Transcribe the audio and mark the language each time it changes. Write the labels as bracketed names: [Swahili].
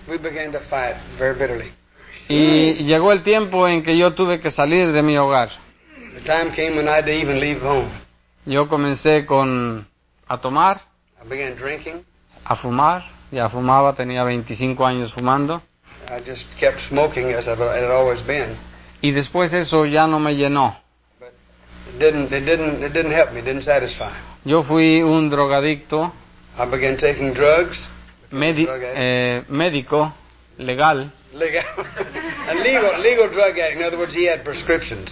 [English] We began to fight very bitterly. [Spanish] Y llegó el tiempo en que yo tuve que salir de mi hogar. [English] The time came when I had to even leave home. [Spanish] Yo comencé a tomar. [English] I began drinking. [Spanish] A fumar. Ya fumaba, tenía 25 años fumando. [English] I just kept smoking as I had always been. [Spanish] Y después eso ya no me llenó. [English] It didn't help me, it didn't satisfy. [Spanish] Yo fui un drogadicto. [English] I began taking drugs. [Spanish] Médico. legal. [English] Legal. legal drug addict. In other words, he had prescriptions.